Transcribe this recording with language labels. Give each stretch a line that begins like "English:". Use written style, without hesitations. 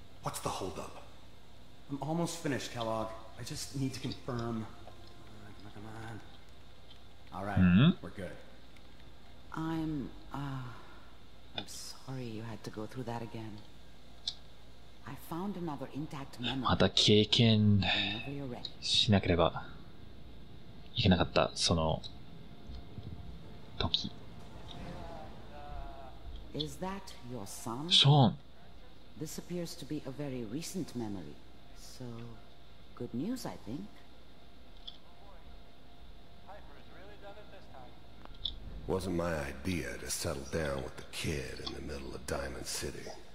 English: What's the holdup? I'm almost finished, Kellogg. I just need to confirm. Come on, come on. Alright, we're good. I'm sorry you had to go through that again. I found another intact memory.
Japanese: また経験しなければいけなかったその時。
English: Is that your son? Sean. This appears to be a very recent memory. So, good news, I think. Wasn't my idea to settle down with the kid in the middle of Diamond City.